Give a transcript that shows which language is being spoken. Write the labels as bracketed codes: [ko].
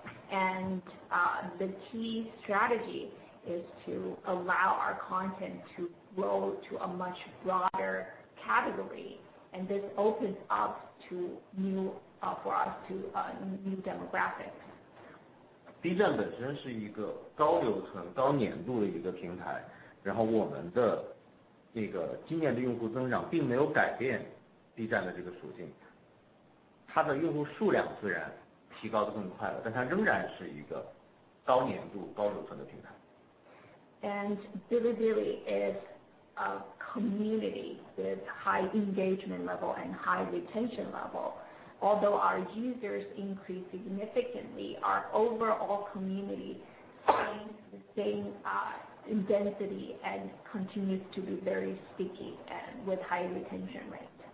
[en] And the key strategy is to allow our content to grow to a much broader category, and this opens up to new for us to new demographics. [zh] B 站本身是一个高留存、高粘度的一个平台，然后我们的那个今年的用户增长并没有改变 B 站的这个属性，它的用户数量虽然提高的更快了，但它仍然是一个高粘度、高留存的平台。 [en] And Bilibili is a community with high engagement level and high retention level. Although our users increase significantly, our overall community stays the same in density and continues to be very sticky and with high retention rate.